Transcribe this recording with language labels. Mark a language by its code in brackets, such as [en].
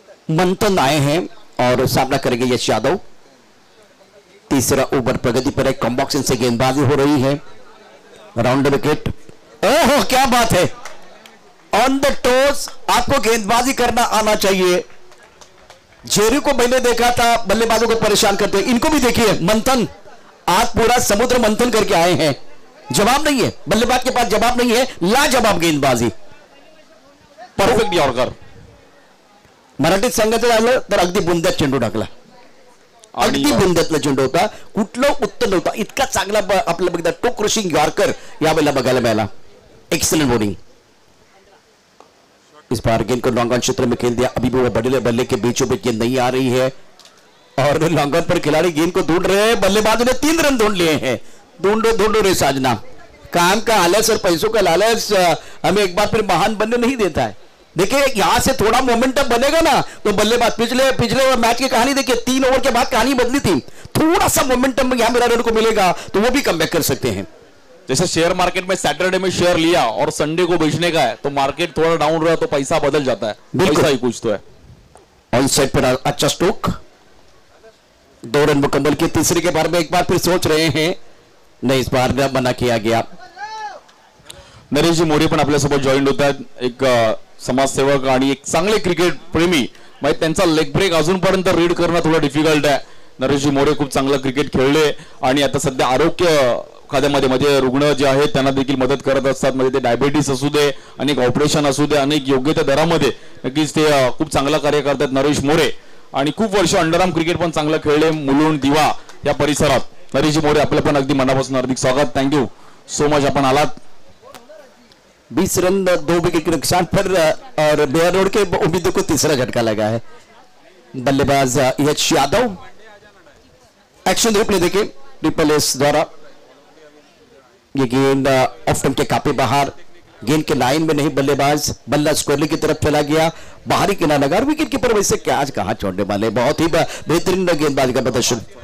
[hi] मंथन आए हैं और सामना करेंगे यश यादव। तीसरा ओवर प्रगति पर है, कॉम्बॉक्सन से गेंदबाजी हो रही है, राउंड विकेट, ओहो क्या बात है, ऑन द टोस, आपको गेंदबाजी करना आना चाहिए। जेरू को पहले देखा था बल्लेबाजों को परेशान करते, इनको भी देखिए मंथन, आज पूरा समुद्र मंथन करके आए हैं, जवाब नहीं है बल्लेबाज के पास, जवाब नहीं है, लाजवाब गेंदबाजी, [en] perfect bowler, [mr] मराठी संगत आलं तर अगदी बुंद्यात चेंडू टाकला, अगदी बुंद्यातला चेंडू होता, कुठलं उत्तर नव्हता, इतका चांगला आपलं बघितलं टू क्रशिंग यॉर्कर या वेळेला बघायला मिळाला, एक्सलंट बॉलिंग। [hi] इस बार गेंद को लॉन्ग ऑन क्षेत्र में खेल दिया, अभी भी वो बड़े बल्ले के बीचों बीच गेंद नहीं आ रही है और लॉन्ग ऑन पर खिलाड़ी गेंद को ढूंढ रहे हैं, बल्लेबाज ने 3 रन ढूंढ लिए हैं, ढूंढो ढूंढो रे साजना, काम का आलस और पैसों का लालच हमें एक बार फिर महान बनने नहीं देता है। देखिए यहां से थोड़ा मोमेंटम बनेगा ना तो बल्लेबाज, पिछले मैच की कहानी देखिए, 3 ओवर के बाद कहानी बदली थी, थोड़ा सा मोमेंटम यहां मेरा रन को मिलेगा तो वो भी कमबैक कर सकते हैं। जैसे शेयर मार्केट में सैटरडे में शेयर लिया और संडे को बेचने का है तो मार्केट थोड़ा डाउन रहा तो पैसा बदल जाता है, पैसा ही कुछ तो है। ऑन साइड पर अच्छा स्टोक, 2 रन मुकम्मल के, तीसरे के बारे में एक बार फिर सोच रहे हैं, नहीं इस बार मना किया गया। [mr] नरेश जी मोरे पण आपल्या सोबत जॉइंड [hi] होता है, [mr] एक समाजसेवक आणि एक चांगले क्रिकेट प्रेमी, म्हणजे त्यांचा लेग ब्रेक अजूनपर्यंत रीड करणं थोडं डिफिकल्ट आहे। नरेश जी मोरे खूप चांगला क्रिकेट खेळले आणि आता सध्या आरोग्य खाद्यामध्ये म्हणजे रुग्ण जे आहेत त्यांना देखील मदत करत असतात, म्हणजे ते डायबिटीस असू दे, अनेक ऑपरेशन असू दे, अनेक योग्य त्या दरामध्ये नक्कीच ते खूप चांगला कार्य करतात नरेश मोरे, आणि खूप वर्ष अंडरआर्म क्रिकेट पण चांगलं खेळले मुलुंड दिवा या परिसरात। नरेश मोरे आपलं पण अगदी मनापासून हार्दिक स्वागत, [en] thank you so much [mr] आपण आलात। [hi] 20 रन 2 विकेट के नुकसान पर और बेयर रोड के उम्मीदों को तीसरा झटका लगा है। बल्लेबाज यश यादव एक्शन रिप्ले देखे, ट्रिपल एस द्वारा गेंद ऑफ स्टंप के काफी बाहर, गेंद के लाइन में नहीं बल्लेबाज, बल्ला स्कोरली की तरफ चला गया, बाहरी किनारा लगा, विकेट कीपर वैसे क्या आज कहां छोड़ने वाले, बहुत ही बेहतरीन गेंदबाज का प्रदर्शन।